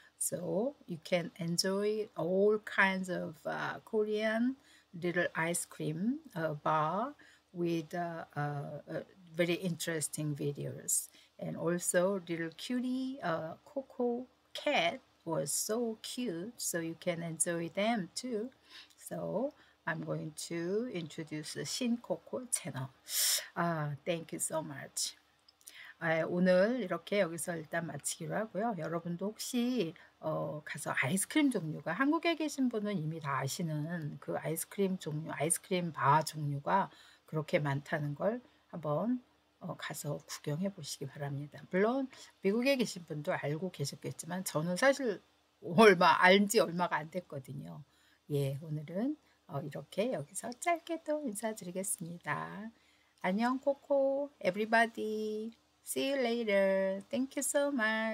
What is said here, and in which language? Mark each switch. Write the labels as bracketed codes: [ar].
[en] So you can enjoy all kinds of Korean little ice cream bar with very interesting videos. And also little cutie Coco cat was so cute, so you can enjoy them too. So I'm going to introduce the Shin Coco channel. Thank you so much. [ko] 오늘 이렇게 여기서 일단 마치기로 하고요. 여러분도 혹시 가서 아이스크림 종류가 한국에 계신 분은 이미 다 아시는 그 아이스크림 종류, 아이스크림 바 종류가 그렇게 많다는 걸 한번 가서 구경해 보시기 바랍니다. 물론 미국에 계신 분도 알고 계셨겠지만 저는 사실 안지 얼마가 안 됐거든요. 예, 오늘은 이렇게 여기서 짧게 또 인사드리겠습니다. 안녕, [en] 코코, everybody. See you later. Thank you so much.